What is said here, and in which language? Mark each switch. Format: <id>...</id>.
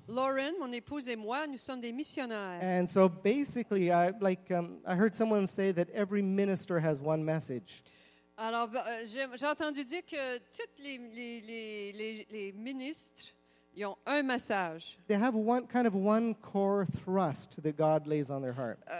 <fr>Lauren, mon épouse et moi, nous sommes des missionnaires.</fr> <en>And so basically, I heard someone say that every minister has one message.</en> <fr>Alors, j'ai entendu dire que toutes les ministres, ils ont un message.</fr> <en>They have one kind of one core thrust that God lays on their heart.</en>